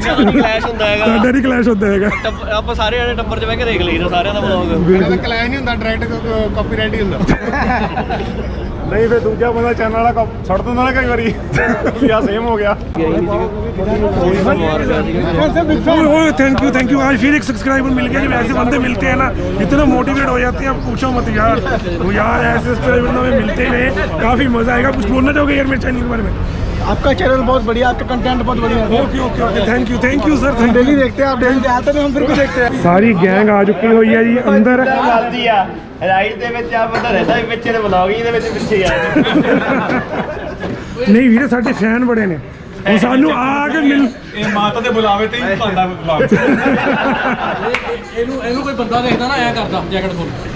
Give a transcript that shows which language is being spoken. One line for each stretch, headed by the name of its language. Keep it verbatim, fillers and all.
Punjabi: Clash ਹੁੰਦਾ ਹੈਗਾ ਸਾਡਾ ਨਹੀਂ ਕਲੈਸ਼ ਹੁੰਦਾ ਹੈਗਾ। ਆਪਾਂ ਸਾਰੇ ਜਣੇ ਟੱਬਰ ਚ ਬਹਿ ਕੇ ਦੇਖ ਲਈਦਾ ਸਾਰਿਆਂ ਦਾ ਵਲੋਗ, ਕਲੈਸ਼ ਨਹੀਂ ਹੁੰਦਾ, ਡਾਇਰੈਕਟ ਕਾਪੀਰਾਈਟ ਹੀ ਹੁੰਦਾ। ਨਹੀਂ ਫਿਰ ਦੂਜਾ ਬੰਦਾ ਚੈਨਲ ਵਾਲਾ ਛੱਡ ਦਿੰਦਾ ਨਾ ਕਈ ਵਾਰੀ ਵੀ ਆਹ ਸੇਮ ਹੋ ਗਿਆ।
English: Oh thank you thank you.
Hindi: आज फिर एक सब्सक्राइबर मिल गया, जब ऐसे बंदे मिलते हैं ना इतना मोटिवेट हो जाते हैं, आप पूछो मत यार। वो यार ऐसे सब्सक्राइबर हमें मिलते ही रहे, काफ़ी मज़ा आएगा। कुछ बोलना चाहोगे यार मेरे चैनल के बारे में? आपका चैनल बहुत बढ़िया, आपका कंटेंट बहुत बढ़िया।
English: Okay okay okay thank you thank you sir.
Hindi: हम डेली देखते हैं, आप डेली आते हैं, हम फिर भी देखते हैं। सारी गैंग आ चुकी हुई है जी अंदर।
Punjabi: ਰਾਈਡ ਦੇ ਵਿੱਚ ਆ ਬੰਦਾ ਰਹਿੰਦਾ ਵੀ ਪਿੱਛੇ ਦੇ ਬਲੌਗ ਹੀ ਦੇ ਵਿੱਚ ਪਿੱਛੇ ਆ। ਨਹੀਂ ਵੀਰੇ ਸਾਡੇ ਫੈਨ ਬੜੇ ਨੇ, ਹੁਣ ਸਾਨੂੰ ਆ ਕੇ ਮਿਲ ਇਹ ਮਾਤਾ ਦੇ ਬੁਲਾਵੇ ਤੇ ਹੀ ਪਾਉਂਦਾ ਬਲੌਗ। ਇਹਨੂੰ ਇਹਨੂੰ ਕੋਈ ਬੰਦਾ ਦੇਖਦਾ ਨਾ ਐ ਕਰਦਾ ਜੈਕਟ ਖੋਲ